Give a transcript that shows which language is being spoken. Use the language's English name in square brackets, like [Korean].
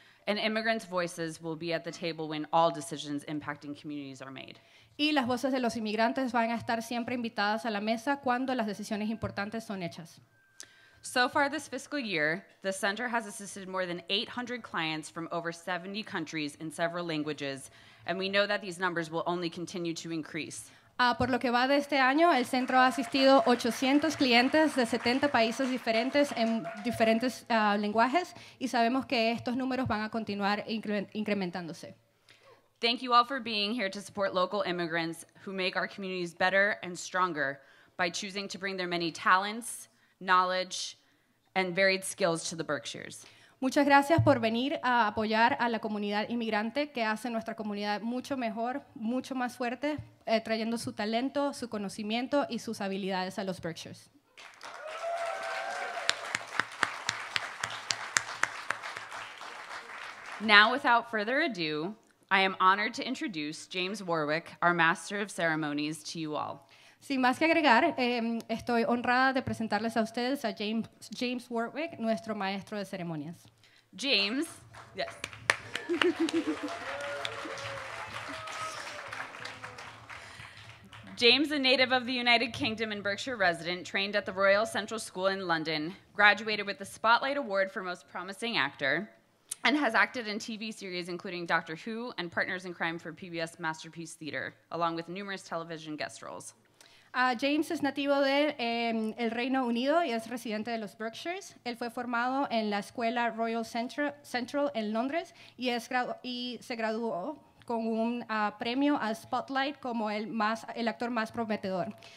[English] And immigrants' voices will be at the table when all decisions impacting communities are made. [Spanish] Y las voces de los inmigrantes van a estar siempre invitadas a la mesa cuando las decisiones importantes son hechas. [English] So far this fiscal year, the center has assisted more than 800 clients from over 70 countries in several languages, and we know that these numbers will only continue to increase. [Spanish] Por lo que va de este año, el centro ha asistido 800 clientes de 70 países diferentes en diferentes lenguajes, y sabemos que estos números van a continuar incrementándose. [English] Thank you all for being here to support local immigrants who make our communities better and stronger by choosing to bring their many talents, knowledge, and varied skills to the Berkshires. [Spanish] Muchas gracias por venir a apoyar a la comunidad inmigrante que hace nuestra comunidad mucho mejor, mucho más fuerte, trayendo su talento, su conocimiento y sus habilidades a los Berkshires. [English] Now, without further ado, I am honored to introduce James Warwick, our Master of Ceremonies, to you all. [Spanish] Sin más que agregar, estoy honrada de presentarles a ustedes a James Warwick, nuestro maestro de ceremonias. [English] James, yes. James, a native of the United Kingdom and Berkshire resident, trained at the Royal Central School in London, graduated with the Spotlight Award for Most Promising Actor, and has acted in TV series including Doctor Who and Partners in Crime for PBS Masterpiece Theater, along with numerous television guest roles. [Spanish] James es nativo de el Reino Unido y es residente de los Berkshires. Él fue formado en la escuela Royal Central en Londres y, se graduó con un premio a Spotlight como el actor más prometedor.